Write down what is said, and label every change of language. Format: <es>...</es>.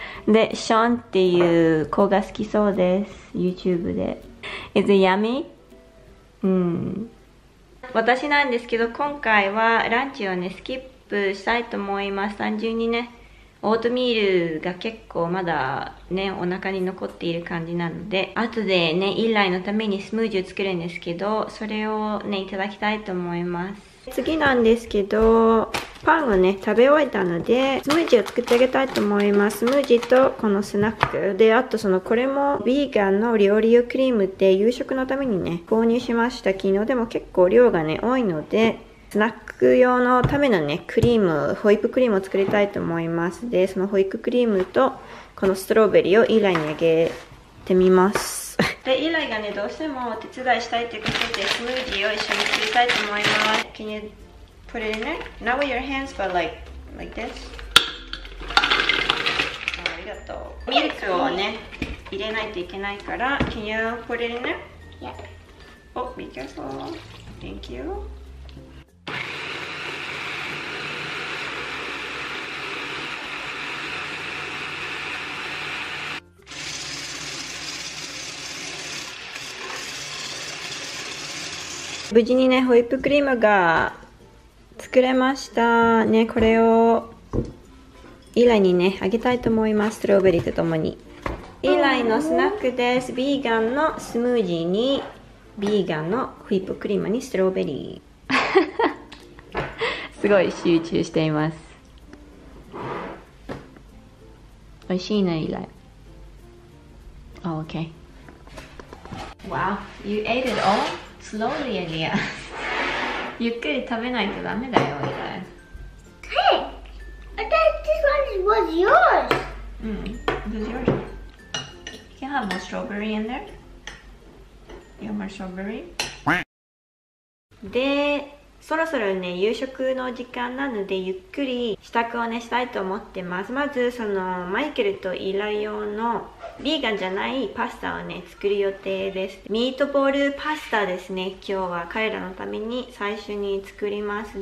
<ja>で、Sean っていう子が好きそうです、YouTube で。</ja> <en>Is it yummy? うん。</en> <ja>私なんですけど、今回はランチをね、スキップしたいと思います、単純にね。オートミールが結構まだね、お腹に残っている感じなので、後でね、イライのためにスムージーを作るんですけど、それをね、いただきたいと思います。次なんですけど、パンをね、食べ終えたので、スムージーを作ってあげたいと思います。スムージーとこのスナック。で、あとその、これも、ビーガンのリオリオクリームって夕食のためにね、購入しました。昨日でも結構量がね、多いので、スナック用のためのね、クリーム、ホイップクリームを作りたいと思います。で、そのホイップクリームと、このストロベリーをイライにあげてみます。で、イライがね、どうしてもお手伝いしたいということで、スムージーを一緒に作りたいと思います。</ja> <en>Can you put it in there? Not with your hands, but like this.</en> <ja>ありがとう。ミルクをね、入れないといけないから、</ja> <en>Can you put it in there? Yeah. Oh, be careful. Thank you.</en> <ja>無事にね、ホイップクリームが作れました。ね、これをイライにね、あげたいと思います。ストローベリーとともに。イライのスナックです。ビーガンのスムージーに、ビーガンのホイップクリームにストローベリー。すごい集中しています。おいしいね、イライ。</ja> <en>Oh, okay. Wow, you ate it all? Slowly, Elia.</en> <ja>ゆっくり食べないとダメだよ、イライ。</ja> <en>Hey! I thought this one was yours! うん、it was yours. You can have more strawberry in there. You have more strawberry?</en> <ja>で、そろそろね、夕食の時間なので、ゆっくり支度をね、したいと思ってます。まず、その、マイケルとイライ用のビーガンじゃないパスタをね、作る予定です。ミートボールパスタですね。今日は彼らのために最初に作ります。</ja>